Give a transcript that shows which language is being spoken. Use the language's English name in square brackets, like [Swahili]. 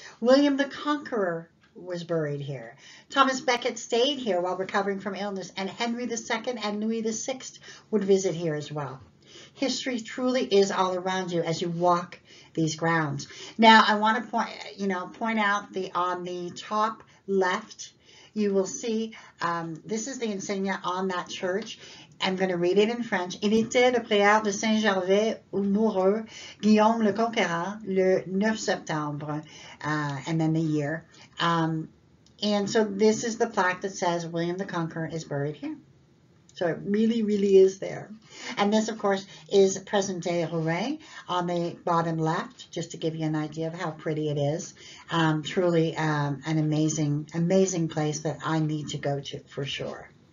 [English] William the Conqueror was buried here. Thomas Becket stayed here while recovering from illness, and Henry II and Louis VI would visit here as well. History truly is all around you as you walk these grounds. Now, I want to point out on the top left, you will see this is the insignia on that church. I'm going to read it in French. [French] Il était le prieur de Saint-Gervais où mourut Guillaume le Conquérant le 9 septembre, [English] and then the year. And so this is the plaque that says William the Conqueror is buried here. So it really, really is there. And this, of course, is present-day Rouen on the bottom left, just to give you an idea of how pretty it is. Truly an amazing, amazing place that I need to go to for sure.